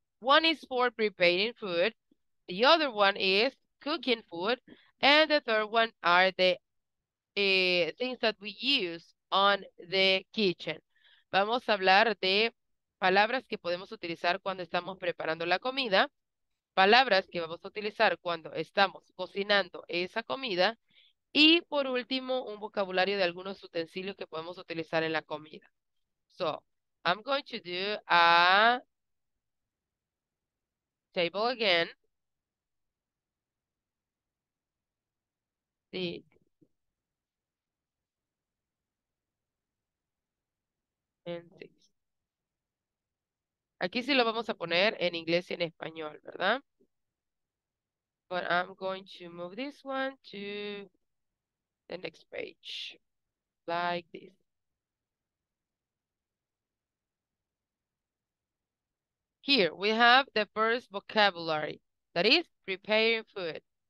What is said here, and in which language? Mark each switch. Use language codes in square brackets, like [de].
[en] One is for preparing food, the other one is cooking food, and the third one are the things that we use on the kitchen. [es] Vamos a hablar de palabras que podemos utilizar cuando estamos preparando la comida, palabras que vamos a utilizar cuando estamos cocinando esa comida, y por último, un vocabulario de algunos utensilios que podemos utilizar en la comida. [en] So, I'm going to do a table again. [es] Sí. Aquí sí lo vamos a poner en inglés y en español, ¿verdad? [en] But I'm going to move this one to the next page, like this. Here we have the first vocabulary, that is preparing food.